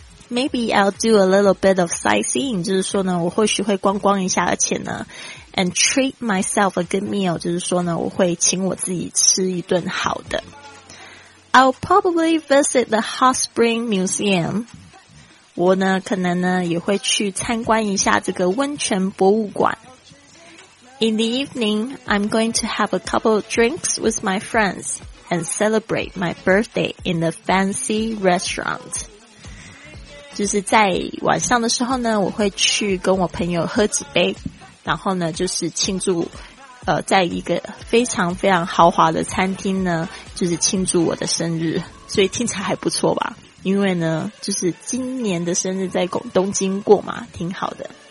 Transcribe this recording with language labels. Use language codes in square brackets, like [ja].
[en] Maybe I'll do a little bit of sightseeing, [zh] 就是说呢，我或许会逛逛一下，而且呢 [en] ,and treat myself a good meal, [zh] 就是说呢，我会请我自己吃一顿好的。 [en] I'll probably visit the Hot Spring Museum. [zh] 我呢可能呢也会去参观一下这个温泉博物馆。 [en] In the evening, I'm going to have a couple of drinks with my friends and celebrate my birthday in a fancy restaurant. [zh] 就是在晚上的时候呢我会去跟我朋友喝几杯，然后呢就是庆祝在一个非常非常豪华的餐厅呢就是庆祝我的生日。所以听起来还不错吧。因为呢就是今年的生日在东京过嘛，挺好的。